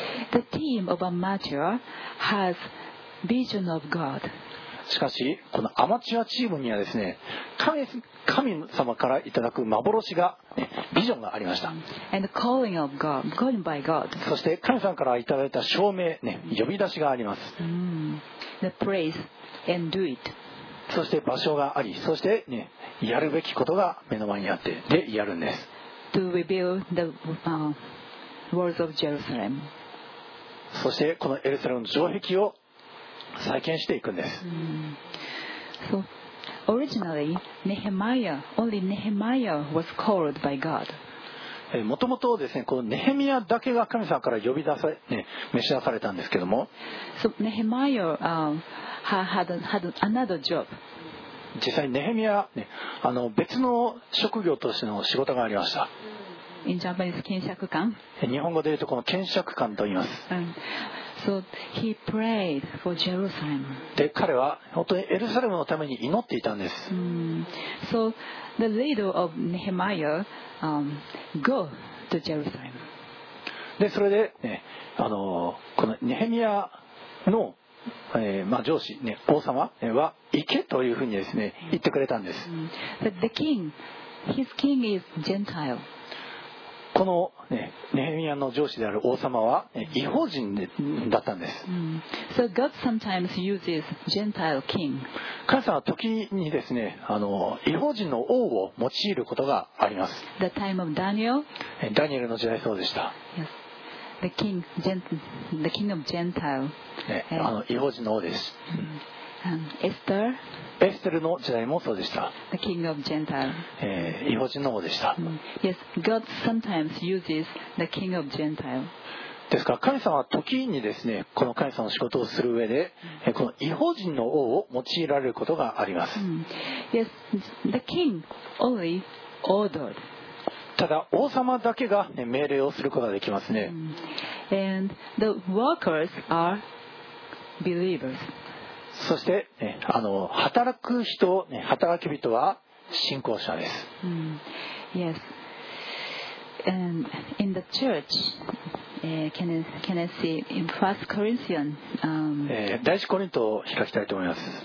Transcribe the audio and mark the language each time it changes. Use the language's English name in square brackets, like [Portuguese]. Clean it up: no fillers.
[English] The team of amateur has vision of God. [Japanese] しかしこのアマチュアチームにはですね、神様からいただく幻が、ね、ビジョンがありました。 [English] And calling of God, calling by God. [Japanese] そして神様からいただいた証明、ね、呼び出しがあります。 [English] The place and do it. [Japanese] そして場所があり、そして、ね、やるべきことが目の前にあって、でやるんです。 [English] To rebuild the, walls of Jerusalem. [Japanese] そしてこのエルサレムの城壁を再建していくんです。 [English] So, originally, Nehemiah, only Nehemiah was called by God. [Japanese] もともとですね、このネヘミヤだけが神様から呼び出され、ね、召し出されたんですけども、 [English] so, Nehemiah, had another job. [Japanese] 実際ネヘミヤ、ね、あの別の職業としての仕事がありました。 [English] In Japanese, 検釈官。 [Japanese] 日本語で言うとこの検釈官と言います。 [English] So he prayed for Jerusalem. [Japanese] で彼は本当にエルサレムのために祈っていたんです。 [English] So the leader of Nehemiah, go to Jerusalem. [Japanese] でそれで、ね、あのこのネヘミヤの、まあ、上司、ね、王様は行けというふうにですね言ってくれたんです。 [English] But the king, his king is Gentile. [Japanese] この、ね、ネヘミヤの上司である王様は、ね、異邦人だったんです。 [English] So God sometimes uses Gentile king. [Japanese] 神様は時にですね、あの異邦人の王を用いることがあります。 [English] The time of Daniel. [Japanese] ダニエルの時代そうでした。 [English] Yes. The king, the king of Gentile. [Japanese] あの異邦人の王です。 [English] Esther. [Japanese] エステルの時代もそうでした。 [English] The king of Gentile. [Japanese] 異邦人の王でした。 [English] Yes, God sometimes uses the king of Gentile. [Japanese] ですから神様は時にですね、この神様の仕事をする上で、この異邦人の王を用いられることがあります。 [English] Yes, the king only ordered. [Japanese] ただ王様だけが、ね、命令をすることができますね。 [English] And the workers are believers. [Japanese] そして、ね、あの働く人、ね、働き人は信仰者です。 [English] Yes. And in the church, can I see in First Corinthians, [Japanese] 第一コリントを開きたいと思います。